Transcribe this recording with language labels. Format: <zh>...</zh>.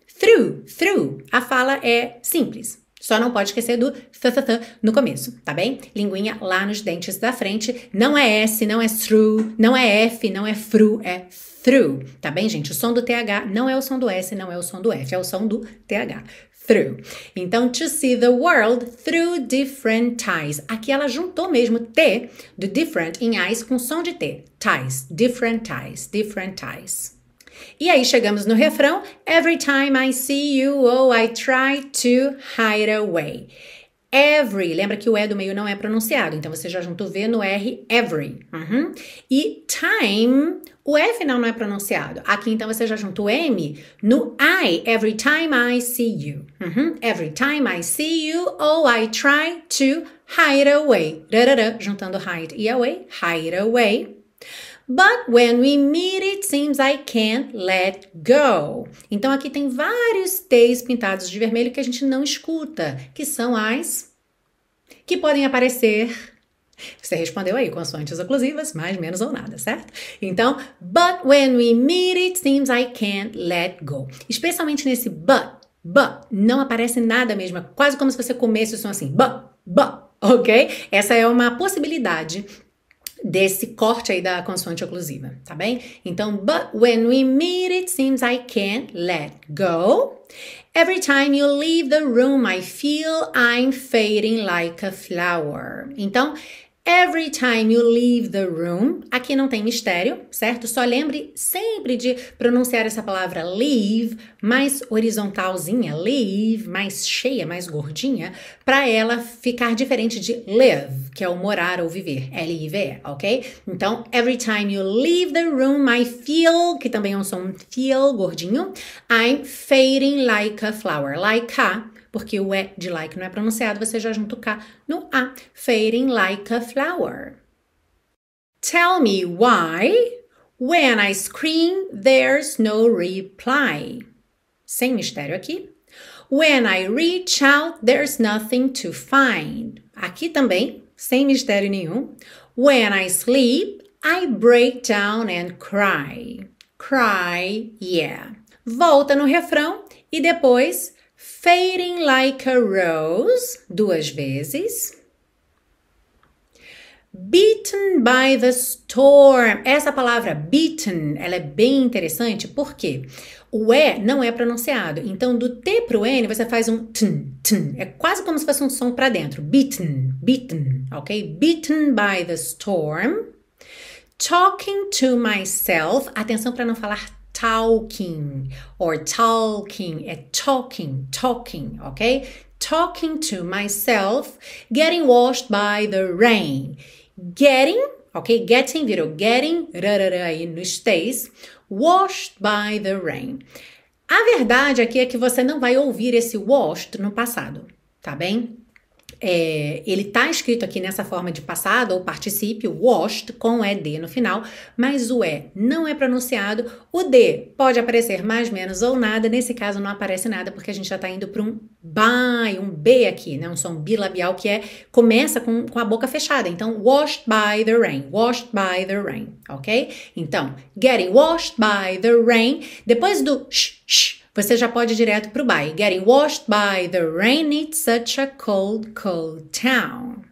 <pt>through, through. A fala é simples. Só não pode esquecer do th no começo, tá bem? Linguinha lá nos dentes da frente. Não é S, não é through, não é F, não é fru, é through. Tá bem, gente? O som do TH não é o som do S, não é o som do F, é o som do TH.</pt> <en>Through. Então, to see the world through different eyes.</en> <pt>Aqui ela juntou mesmo T do different em eyes com som de T. Ties,</pt> <en>different eyes, different eyes.</en> <pt>E aí chegamos no refrão.</pt> <en>Every time I see you, oh, I try to hide away.</en> <pt>Every, lembra que o E do meio não é pronunciado, então você já junta o V no R, every. Uhum. E time, o F final não é pronunciado. Aqui então você já junta o M no I,</pt> <en>every time I see you. Uhum. Every time I see you, oh, I try to hide away. Rarara,</en> <pt>juntando</pt> <en>hide e away, hide away. But when we meet, it seems I can't let go.</en> <pt>Então, aqui tem vários T's pintados de vermelho que a gente não escuta, que são as que podem aparecer. Você respondeu aí, consoantes oclusivas, mais, menos ou nada, certo?</pt> <en>Então, but when we meet, it seems I can't let go.</en> <pt>Especialmente nesse but, não aparece nada mesmo. É quase como se você comesse o som assim, but, ok? Essa é uma possibilidade desse corte aí da consoante oclusiva, tá bem?</pt> <en>Então, but when we meet, it seems I can't let go. Every time you leave the room, I feel I'm fading like a flower.</en> <pt>Então,</pt> <en>every time you leave the room,</en> <pt>aqui não tem mistério, certo? Só lembre sempre de pronunciar essa palavra leave mais horizontalzinha, leave mais cheia, mais gordinha, para ela ficar diferente de live, que é o morar ou viver, L-I-V-E, ok? Então,</pt> <en>every time you leave the room,</en> <pt>I feel, que também é um som feel gordinho,</pt> <en>I'm fading like a flower,</en> <pt>like a, porque o E de like não é pronunciado, você já junta o K no A.</pt> <en>Fading like a flower. Tell me why, when I scream, there's no reply.</en> <pt>Sem mistério aqui.</pt> <en>When I reach out, there's nothing to find.</en> <pt>Aqui também, sem mistério nenhum.</pt> <en>When I sleep, I break down and cry. Cry, yeah.</en> <pt>Volta no refrão e depois</pt> <en>fading like a rose,</en> <pt>duas vezes.</pt> <en>Beaten by the storm.</en> <pt>Essa palavra, beaten, ela é bem interessante porque o E não é pronunciado. Então, do T pro N, você faz um tn, tn. É quase como se fosse um som para dentro.</pt> <en>Beaten, beaten, ok? Beaten by the storm. Talking to myself.</en> <pt>Atenção para não falar talking, or talking, é talking, talking, ok?</pt> <en>Talking to myself, getting washed by the rain.</en> <pt>Getting, ok? Getting virou getting, rarara aí nos stays,</pt> <en>washed by the rain.</en> <pt>A verdade aqui é que você não vai ouvir esse washed no passado, tá bem? É, ele tá escrito aqui nessa forma de passado ou particípio, washed, com ED no final, mas o E não é pronunciado. O D pode aparecer mais, menos ou nada. Nesse caso, não aparece nada, porque a gente já tá indo para um by, um B aqui, né? Um som bilabial que é, começa com a boca fechada.</pt> <en>Então, washed by the rain, washed by the rain, ok?</en> <pt>Então,</pt> <en>getting washed by the rain,</en> <pt>depois do sh, sh, você já pode ir direto pro by.</pt> <en>Getting washed by the rain, it's such a cold, cold town.</en>